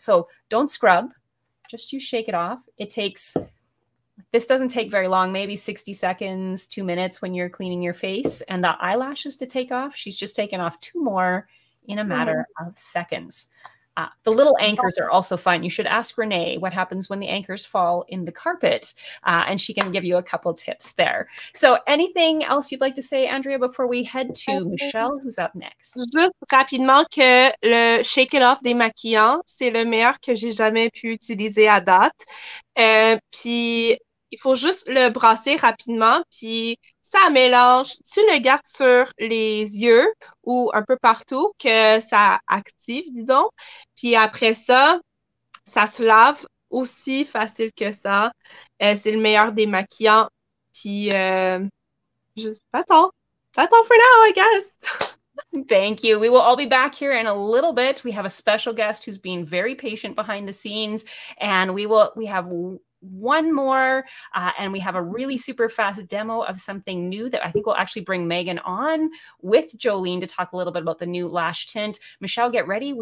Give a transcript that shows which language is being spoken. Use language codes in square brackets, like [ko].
[en] So don't scrub, just you shake it off. This doesn't take very long, maybe 60 seconds, 2 minutes when you're cleaning your face, and the eyelashes to take off. She's just taken off two more in a matter of seconds. The little anchors are also fun. You should ask Renee what happens when the anchors fall in the carpet, and she can give you a couple tips there. So anything else you'd like to say, Andrea, before we head to Michelle, who's up next? Just [fr] rapidement que le shake it off démaquillant, c'est le meilleur que j'ai jamais pu utiliser à date. Puis il faut juste le brasser rapidement, puis ça mélange. Tu le gardes sur les yeux ou un peu partout que ça active, disons. Puis après ça, ça se lave aussi facile que ça. C'est le meilleur démaquillant. Puis juste, [en] that's all for now, I guess. Thank you. We will all be back here in a little bit. We have a special guest who's being very patient behind the scenes, and we have one more, and we have a really super fast demo of something new that I think will actually bring Megan on with Jolene to talk a little bit about the new lash tint. Michelle, get ready.